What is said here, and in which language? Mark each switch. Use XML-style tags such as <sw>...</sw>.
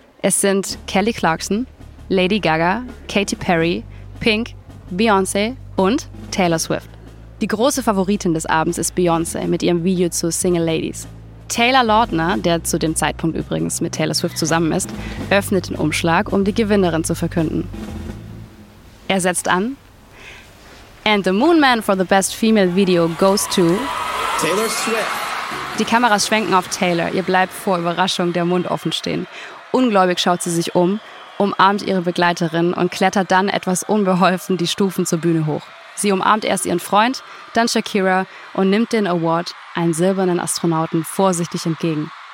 <de>Es sind Kelly Clarkson, Lady Gaga, Katy Perry, Pink, Beyoncé und Taylor Swift. Die große Favoritin des Abends ist Beyoncé mit ihrem Video zu Single Ladies. Taylor Lautner, der zu dem Zeitpunkt übrigens mit Taylor Swift zusammen ist, öffnet den Umschlag, um die Gewinnerin zu verkünden. Er setzt an.</de> <en>And the Moon Man for the best female video goes to Taylor Swift.</en> <de>Die Kameras schwenken auf Taylor. Ihr bleibt vor Überraschung der Mund offen stehen. Ungläubig schaut sie sich um, umarmt ihre Begleiterin und klettert dann etwas unbeholfen die Stufen zur Bühne hoch. Sie umarmt erst ihren Freund, dann Shakira und nimmt den Award, einen silbernen Astronauten, vorsichtig entgegen.</de>